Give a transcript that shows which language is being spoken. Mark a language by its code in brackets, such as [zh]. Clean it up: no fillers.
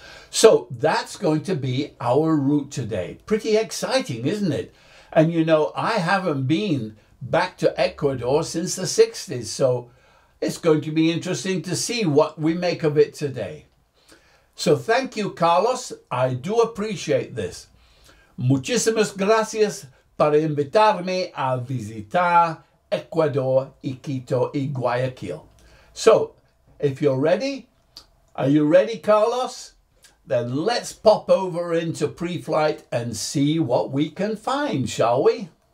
[en] So that's going to be our route today. Pretty exciting, isn't it? And you know, I haven't been back to Ecuador since the 60s, so it's going to be interesting to see what we make of it today. So thank you, Carlos. I do appreciate this. [es] Muchísimas gracias por invitarme a visitar Ecuador, Quito y Guayaquil. [en] So if you're ready, are you ready, Carlos? Then let's pop over into pre-flight and see what we can find, shall we?